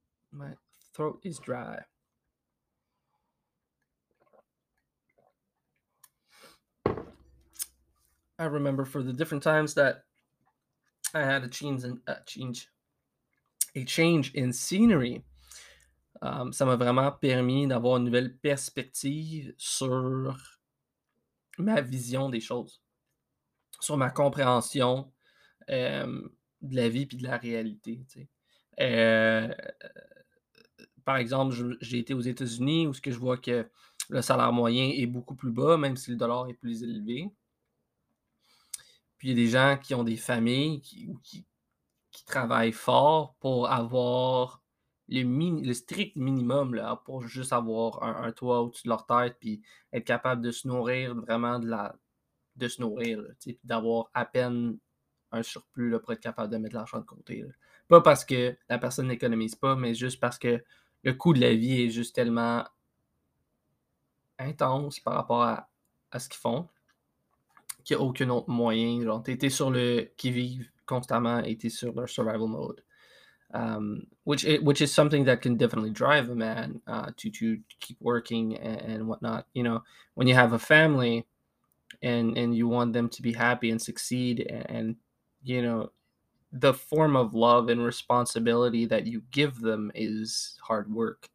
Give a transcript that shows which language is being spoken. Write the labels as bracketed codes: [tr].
[en] My throat is dry. I remember for the different times that I had a change in scenery. [fr] Ça m'a vraiment permis d'avoir une nouvelle perspective sur ma vision des choses, sur ma compréhension de la vie puis de la réalité. T'sais. Par exemple, j'ai été aux États-Unis où ce que je vois que le salaire moyen est beaucoup plus bas, même si le dollar est plus élevé. Puis il y a des gens qui ont des familles qui travaillent fort pour avoir le strict minimum là, pour juste avoir un toit au-dessus de leur tête puis être capable de se nourrir vraiment de se nourrir, tu sais, puis d'avoir à peine un surplus là, pour être capable de mettre l'argent de côté. Là. Pas parce que la personne n'économise pas, mais juste parce que le coût de la vie est juste tellement intense par rapport à ce qu'ils font. Qu'il n'y a aucun autre moyen. Genre, tu étais sur le qui-vive constamment et tu es sur leur survival mode. [en] Which is something that can definitely drive a man to keep working and whatnot. You know, when you have a family and you want them to be happy and succeed, and you know, the form of love and responsibility that you give them is hard work.